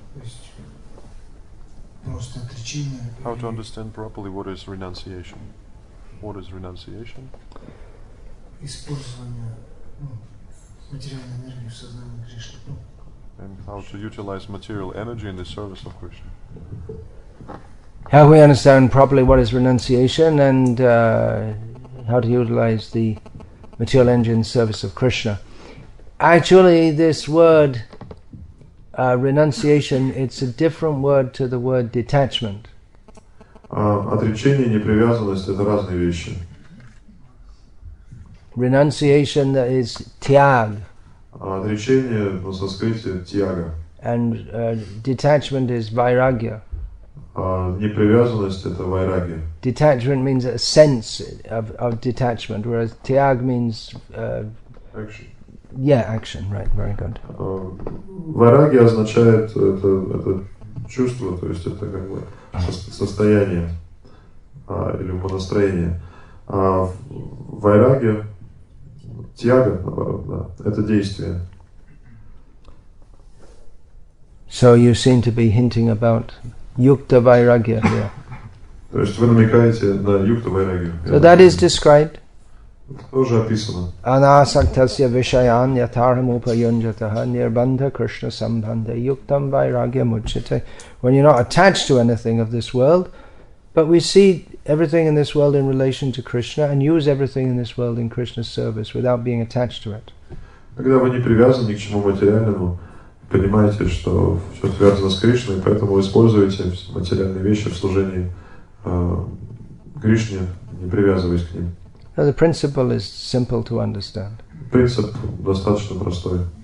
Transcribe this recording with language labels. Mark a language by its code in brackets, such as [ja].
[ru] То есть, просто отречение. [en] How to understand properly what is renunciation? What is renunciation? [ru] Использование материальной энергии в сознании Кришны. [en] And how to utilize material energy in the service of Krishna. How we understand properly what is renunciation and how to utilize the material energy in the service of Krishna. Actually, this word, renunciation, it's a different word to the word detachment. [ru] Отречение, непривязанность — это разные вещи. [en] Renunciation, that is тяг. [ru] Отречение на санскрите тяга. [en] And detachment is вайрагья. [ru] Непривязанность — это вайрагья. [en] Detachment means a sense of detachment, whereas тяг means action. Yeah, action, right, very good. [ru] Вайрагья означает это чувство, то есть это как бы состояние или умонастроение. А вайрагья — тяга, наоборот, да. Это действие. [en] So you seem to be hinting about yukta vairagya here. [ru] То есть вы намекаете на yukta vairagya. [en] So that is described. [ru] Тоже описано. [sa] Anasaktasya vishayan yataram upayunjataha nirbandha krishna sambandha yuktam vairagya mucchate. [en] When you're not attached to anything of this world, but we see everything in this world in relation to Krishna and use everything in this world in Krishna's service without being attached to it. [ru] Когда вы не привязаны к чему материальному, понимаете, что все связано с Кришной, поэтому вы используете материальные вещи в служении Кришне, не привязываясь к ним. [en] So the principle is simple to understand. [ru] Принцип достаточно простой.